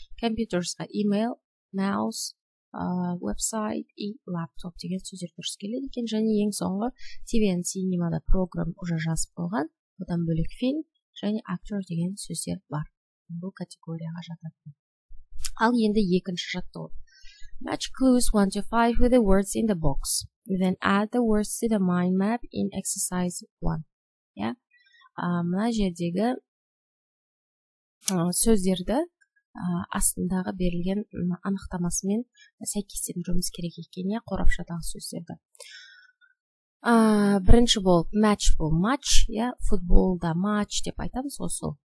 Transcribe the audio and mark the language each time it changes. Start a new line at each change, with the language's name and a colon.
Kazakh: Компьютерге email, mouse, website и laptop деген сөздер дұрыс келеді екен. Және ең соңғы TV and cinema-да программ уже жазып болған, одан бөлек фильм және актер деген сөздер бар. Бұл категорияға жататын. Ал енді екінші жаттығу.
English: Match clues 1 to 5 with the words in the box. Then add the words to the mind map in exercise 1. Yeah?
Kazakh: Мына жердегі сөздерді астындағы берілген анықтамасымен сәйкестендіруіміз керек екеніне қорапшадағы сөздерді. Бірінші бол match бол match, футболда match деп айтамыз осы.